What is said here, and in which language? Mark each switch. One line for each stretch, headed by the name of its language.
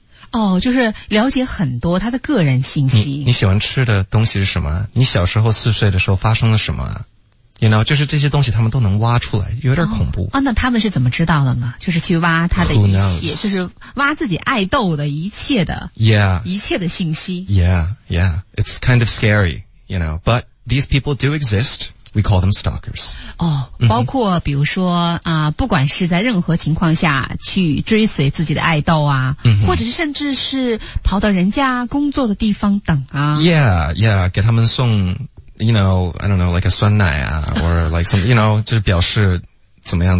Chinese: 哦，就是了解很多他的个人信息。你喜欢吃的东西是什么？你小时候四岁的时候发生了什么？
English: You know,
Chinese: 就是这些东西他们都能挖出来，有点恐怖。那他们是怎么知道的呢？就是去挖他的一切，就是挖自己爱豆的一切的、
English: yeah.
Chinese: 一切的信息。
English: Yeah, it's kind of scary, you know, but these people do exist. We call them stalkers.
Chinese: 哦，包括比如说啊、不管是在任何情况下去追随自己的爱豆啊，或者是甚至是跑到人家工作的地方等啊。
English: Yeah,
Chinese: 给他们送
English: ，you know, I don't know, like a
Chinese: 酸奶啊
English: ，or like some, you know,
Chinese: 就是表示怎么样，